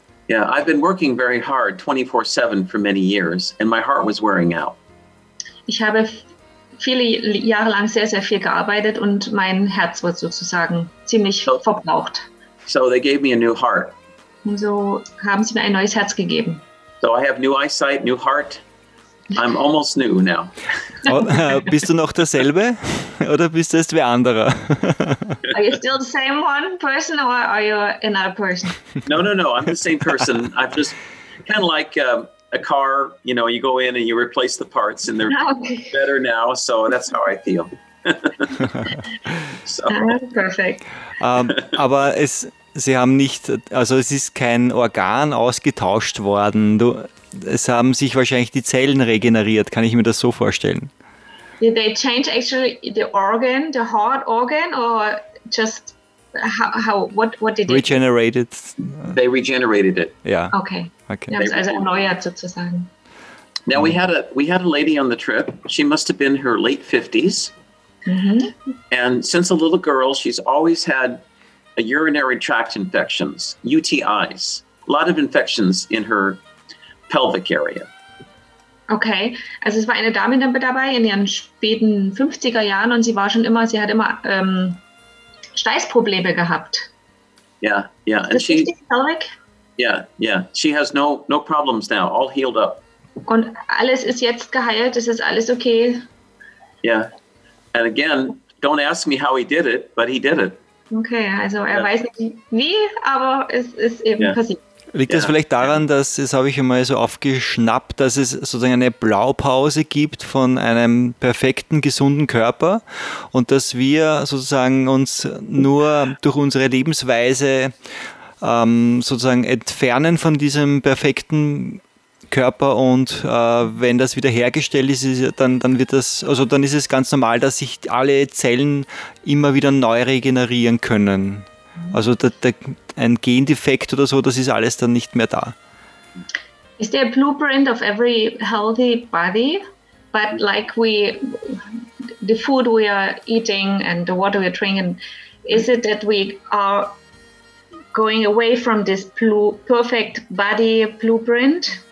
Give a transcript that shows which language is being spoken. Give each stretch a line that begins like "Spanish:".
English: Yeah, I've been working very hard 24/7 for many years and my heart was wearing out.
German: Ich habe viele Jahre lang sehr, sehr viel gearbeitet und mein Herz wurde sozusagen ziemlich verbraucht.
English: So they gave me a new heart.
German: Und so haben sie mir ein neues Herz gegeben.
English: So I have new eyesight, new heart. I'm almost new now.
German: Bist du noch derselbe oder bist du jetzt wie anderer?
English: Are you still the same one person or are you another person? No. I'm the same person. I'm just kind of like a car, you know, you go in and you replace the parts and they're better now. So that's how I feel. Perfect.
German: Aber sie haben nicht, also es ist kein Organ ausgetauscht worden. Es haben sich wahrscheinlich die Zellen regeneriert, kann ich mir das so vorstellen.
English: Did they change actually the organ, the heart organ, or just what did they regenerated? They regenerated it. Yeah.
German: Okay. Ja, also erneuert sozusagen.
English: Now we had a lady on the trip. She must have been her late 50s. Mm-hmm. And since a little girl, she's always had a urinary tract infections, UTIs. A lot of infections in her pelvic area.
German: Okay, also es war eine Dame dabei in ihren späten 50er Jahren und sie hat immer Steißprobleme gehabt.
English: She has no problems now, all healed up.
German: Und alles ist jetzt geheilt, es ist alles okay.
English: Yeah, and again, don't ask me how he did it, but he did it.
German: Okay, also er weiß nicht wie, aber es ist eben passiert. Liegt das vielleicht daran, dass, das habe ich einmal so aufgeschnappt, dass es sozusagen eine Blaupause gibt von einem perfekten, gesunden Körper und dass wir sozusagen uns nur durch unsere Lebensweise sozusagen entfernen von diesem perfekten Körper und wenn das wieder hergestellt ist, dann ist es ganz normal, dass sich alle Zellen immer wieder neu regenerieren können. Also ein Gendefekt oder so, das ist alles dann nicht mehr da.
English: Is there a blueprint of every healthy body? But like the food we are eating and the water we are drinking, is it that we are going away from this perfect body blueprint?